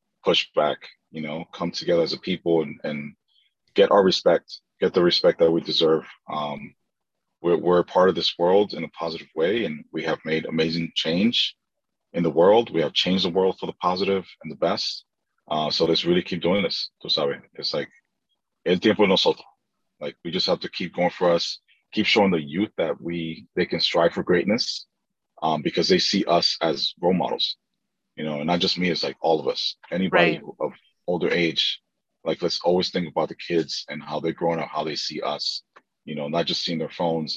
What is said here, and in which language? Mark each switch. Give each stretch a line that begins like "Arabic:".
English: pushback, you know, come together as a people and get our respect, get the respect that we deserve. We're a part of this world in a positive way, and we have made amazing change in the world. We have changed the world for the positive and the best. So let's really keep doing this.
Spanish: Tú sabes,
English: it's like,
Spanish: el tiempo es nosotros.
English: Like, we just have to keep going for us, keep showing the youth that they can strive for greatness, because they see us as role models, you know, and not just me, it's like all of us, anybody right. of older age. Like, let's always think about the kids and how they're growing up, how they see us, you know, not just seeing their phones.